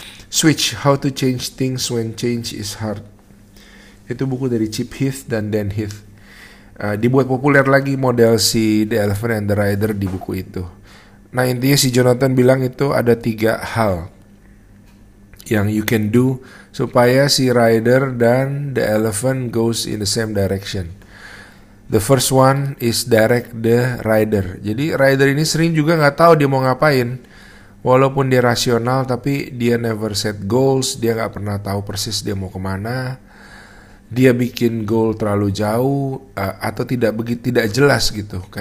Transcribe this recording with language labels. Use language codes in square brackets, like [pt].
[en] Switch, How to Change Things When Change is Hard. [id] Itu buku dari Chip Heath dan Dan Heath. Dibuat populer lagi model si The Elephant and the Rider di buku itu. Nah, intinya si Jonathan bilang itu ada tiga hal yang [en] you can do [id] supaya si rider dan the elephant [en] goes in the same direction. The first one is direct the rider. [id] Jadi rider ini sering juga gak tahu dia mau ngapain. Walaupun dia rasional, tapi dia [en] never set goals. [id] Dia gak pernah tahu persis dia mau kemana. Dia bikin goal terlalu jauh atau tidak begitu, tidak jelas gitu.